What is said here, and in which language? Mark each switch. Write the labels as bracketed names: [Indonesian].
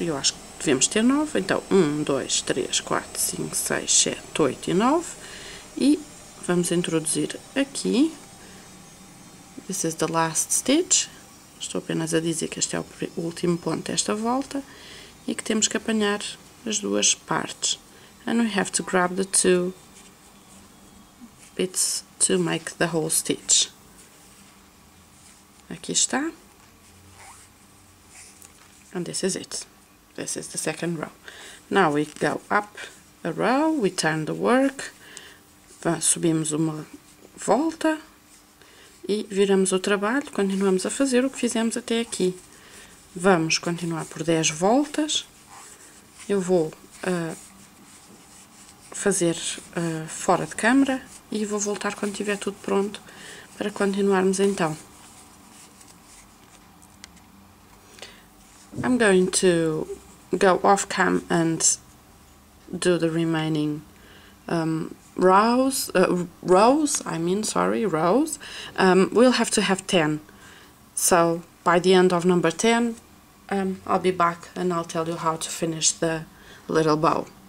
[Portuguese] Eu acho que devemos ter 9. Então, 1, 2, 3, 4, 5, 6, 7, 8 e 9. E vamos introduzir aqui. [English] This is the last stitch. [Portuguese] Estou apenas a dizer que este é o último ponto desta volta. E que temos que apanhar as duas partes. [English] And we have to grab the two bits to make the whole stitch. [Portuguese] Aqui está, [English] and this is it, this is the second row. Now we go up a row, we turn the work, subimos uma volta e viramos o trabalho, continuamos a fazer o que fizemos até aqui. [Portuguese] Vamos continuar por 10 voltas, eu vou fazer fora de câmara e vou voltar quando tiver tudo pronto para continuarmos então. [English] I'm going to go off cam and do the remaining rows. We'll have to have 10. So by the end of number 10, I'll be back and I'll tell you how to finish the little bow.